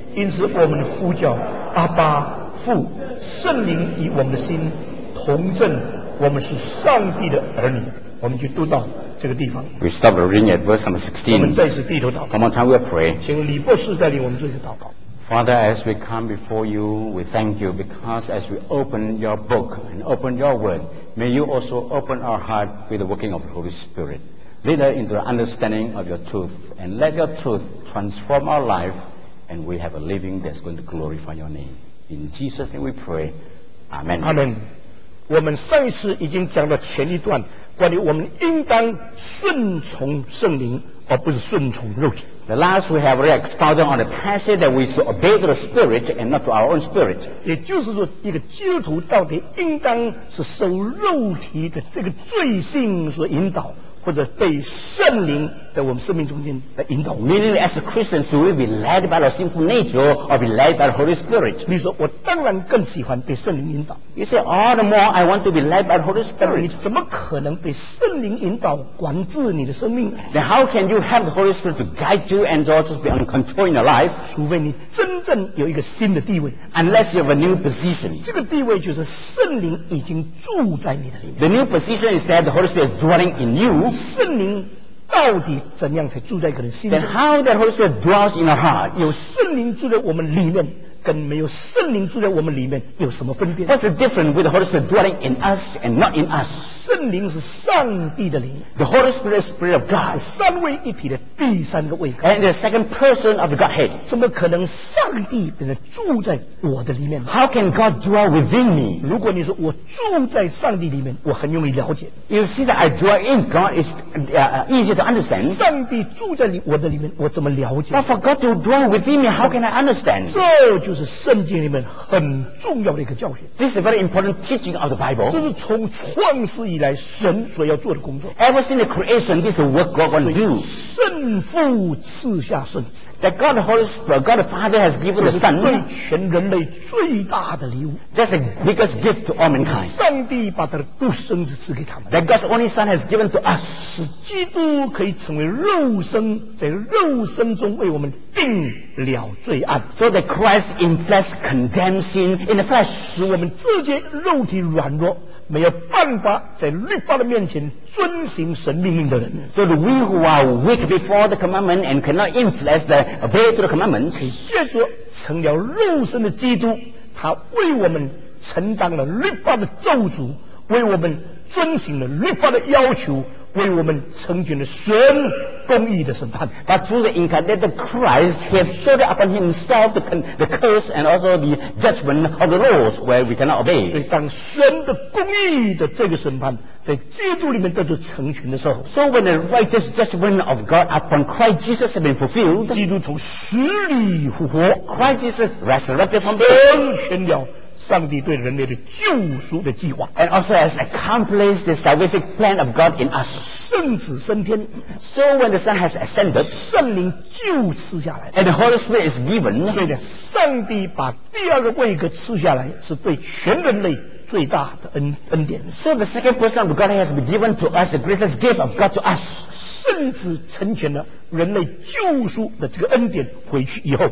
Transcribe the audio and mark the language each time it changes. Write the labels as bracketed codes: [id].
[zh] 因此我们呼叫阿爸父，圣灵与我们的心同证，我们是上帝的儿女。我们就读到这个地方。 [en] We stop reading at verse number 16. [zh] 我们再次低头祷告。 [en] Come on, time we pray. [zh] 请李博士带领我们做一个祷告。 [en] Father, as we come before you, we thank you because as we open your book and open your word, may you also open our heart with the working of the Holy Spirit. Lead us into the understanding of your truth and let your truth transform our life and we have a living that's going to glorify your name. In Jesus' name we pray. Amen. Amen. [zh] 我们上一次已经讲了前一段关于我们应当顺从圣灵而不是顺从肉体。 [en] The last we have already expounded on the passage that we should obey to the Spirit and not to our own spirit. [zh] 也就是说，一个基督徒到底应当是受肉体的这个罪性所引导，或者被圣灵在我们生命中间的引导。 [en] Meaning, as a Christian, should we be led by the sinful nature or be led by the Holy Spirit? [zh] 你说我当然更喜欢被圣灵引导。 [en] You say, all the more I want to be led by the Holy Spirit. [zh] 你怎么可能被圣灵引导管制你的生命？ [en] Then how can you have the Holy Spirit to guide you and to just be under control in your life? [zh] 除非你真正有一个新的地位。 [en] Unless you have a new position. [zh] 这个地位就是圣灵已经住在你的里面。 [en] The new position is that the Holy Spirit is dwelling in you. [zh] 圣灵到底怎样才住在一个人心中？ [en] Then how the Holy Spirit dwells in our heart? [zh] 有圣灵住在我们里面跟没有圣灵住在我们里面有什么分别？ [en] What's the difference with the Holy Spirit dwelling in us and not in us? [zh] 圣灵是上帝的灵。 [en] The Holy Spirit is the Spirit of God. [zh] 是三位一体的第三个位格。 [en] And the second person of the Godhead. [zh] 怎么可能上帝变成住在我的里面？ [en] How can God dwell within me? [zh] 如果你说我住在上帝里面，我很容易了解。 [en] You see that I dwell in God is easy to understand. [zh] 上帝住在我的里面，我怎么了解？ [en] But for God to dwell within me, how can I understand? [zh] 这就是圣经里面很重要的一个教训。 [en] This is a very important teaching of the Bible. [zh] 这是从创世以来神所要做的工作。 [en] Ever since the creation, this is the work God wants to do. [zh] 圣父赐下圣子。 [en] That God the Holy Spirit, God the Father has given the Son. [zh] 对全人类最大的礼物。 [en] That's the biggest gift to all mankind. [zh] 上帝把他的独生子赐给他们。 [en] That God's only Son has given to us. [zh] 使基督可以成为肉身，在肉身中为我们定了罪案。 [en] So that Christ in flesh condemned sin in the flesh. [zh] 使我们这些肉体软弱没有办法在律法的面前遵行神命令的人。 [en] So the we who are weak before the commandment and cannot influence the obey to the commandment, [zh] 可以借着成了肉身的基督，他为我们承担了律法的咒诅，为我们遵行了律法的要求，为我们成全了神公义的审判。 [en] But through the incarnated Christ, he has showed upon himself the curse and also the judgment of the laws where we cannot obey. [zh] 所以当神的公义的这个审判在基督里面得到成全的时候， [en] So when the righteous judgment of God upon Christ Jesus has been fulfilled, [zh] 基督从死里复活， [en] Christ Jesus resurrected from the dead, [zh] 成全了上帝对人类的救赎的计划 [en] ，and also has accomplished the salvific plan of God in us， [zh] 圣子升天 [en] ，so when the Son has ascended， [zh] 圣灵就赐下来 [en] ，and the Holy Spirit is given， [zh] 所以呢，上帝把第二个位格赐下来，是对全人类最大的恩典。 [en] So the second person of God has been given to us, the greatest gift of God to us。 [zh] 圣子成全了人类救赎的这个恩典，回去以后